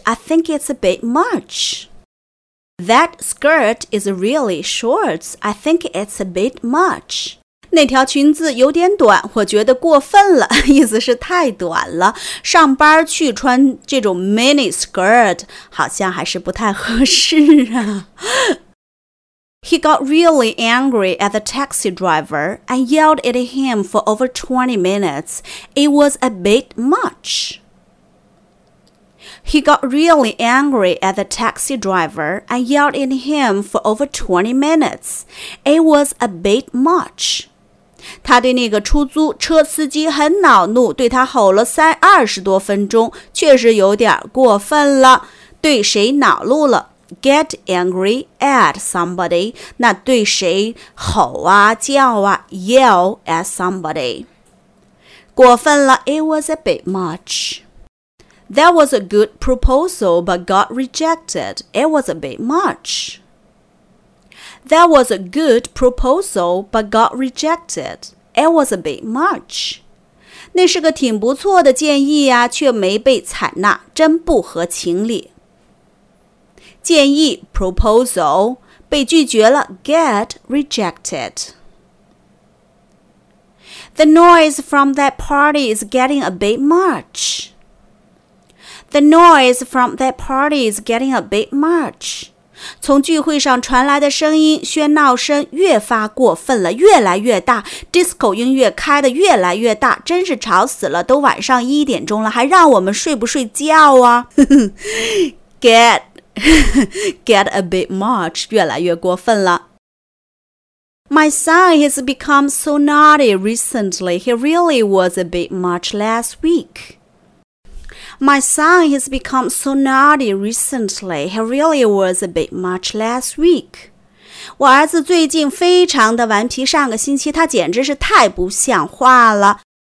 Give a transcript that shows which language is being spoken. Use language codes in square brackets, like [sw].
[en] I think it's a bit muchThat skirt is really short. I think it's a bit much. [zh] 那条裙子有点短，我觉得过分了，意思是太短了。上班去穿这种 mini skirt 好像还是不太合适啊。 He got really angry at the taxi driver and yelled at him for over 20 minutes. It was a bit much. He got really angry at the taxi driver and yelled at him for over 20 minutes. It was a bit much. 他对那个出租车司机很恼怒，对他吼了20多分钟，确实有点过分了。对谁恼怒了？ [en] Get angry at somebody. [zh] 那对谁吼啊叫啊？ [en] Yell at somebody. [zh] 过分了。 [en] It was a bit much. That was a good proposal, but got rejected. It was a bit much. That was a good proposal, but got rejected. It was a bit much. [zh] 那是个挺不错的建议啊，却没被采纳，真不合情理。建议 proposal 被拒绝了 [en] get rejected. The noise from that party is getting a bit much. The noise from that party is getting a bit much. [zh] 从聚会上传来的声音，喧闹声越发过分了，越来越大， disco 音乐开得越来越大，真是吵死了，都晚上一点钟了，还让我们睡不睡觉啊 [en] get a bit much， [zh] 越来越过分了。 [en] My son has become so naughty recently. He really was a bit much last week. My son has become so naughty recently. He really was a bit much last week. [zh] 我儿子最近非常的顽皮，上个星期他简直是太不像话了。